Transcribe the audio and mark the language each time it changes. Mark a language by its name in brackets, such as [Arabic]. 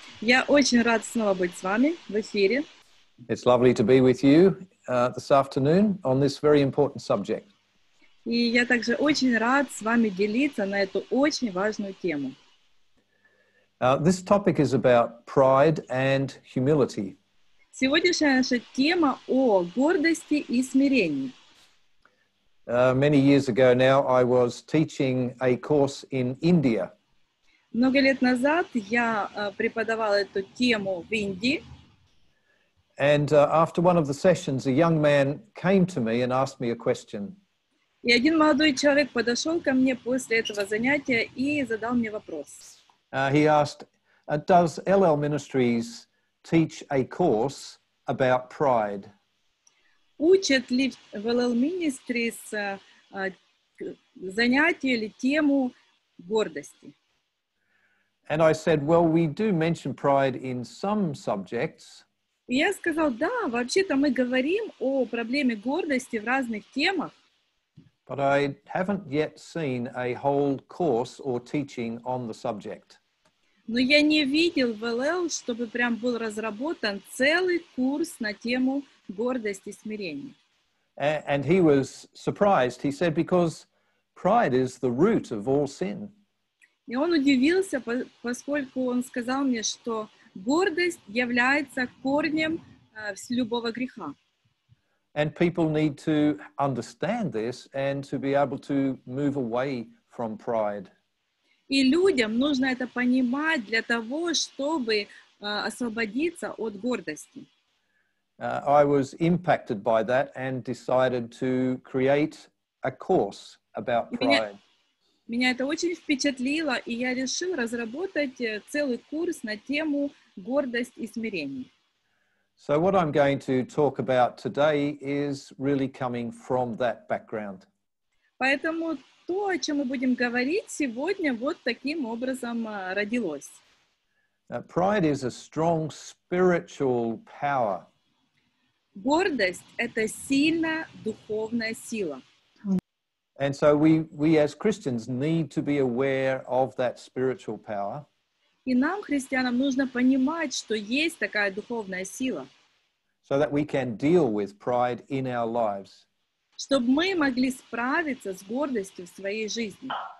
[Russian] Я очень рад снова быть с вами в эфире. [English] It's lovely to be with you this afternoon on this very important subject. [Russian] И я также очень рад с вами делиться на эту очень важную тему. [English] This topic is about pride and humility. [Russian] Сегодняшняя наша тема о гордости и смирении. [English] Many years ago now, I was teaching a course in India. [Russian] Много лет назад я преподавал эту тему в Индии. [English] And after one of the sessions, a young man came to me and asked me a question. [Russian] И один молодой человек подошел ко мне после этого занятия и задал мне вопрос. [English] He asked, does LL Ministries teach a course about pride? [Russian] Учат ли в LL Ministries занятие или тему гордости? [English] And I said, well, we do mention pride in some subjects. [Russian] Я сказал, да, вообще-то мы говорим о проблеме гордости в разных темах. [English] But I haven't yet seen a whole course or teaching on the subject. [Russian] Но я не видел в LL, чтобы прям был разработан целый курс на тему гордости и смирения. [English] And he was surprised. He said, because pride is the root of all sin. [Russian] И он удивился, поскольку он сказал мне, что гордость является корнем любого греха. [English] And people need to understand this and to be able to move away from pride. [Russian] И людям нужно это понимать для того, чтобы освободиться от гордости. [English] I was impacted by that and decided to create a course about pride. [Russian] Меня это очень впечатлило, и я решил разработать целый курс на тему гордость и смирение. [English] So what I'm going to talk about today is really coming from that background. [Russian] Поэтому то, о чем мы будем говорить сегодня, вот таким образом родилось. [English] Pride is a strong spiritual power. [Russian] Гордость — это сильная духовная сила. [English] And so we as Christians need to be aware of that spiritual power. [Russian] И нам, христианам, нужно понимать, что есть такая духовная сила. [English] So that we can deal with pride in our lives. [Russian] Чтобы мы могли справиться с гордостью в своей жизни.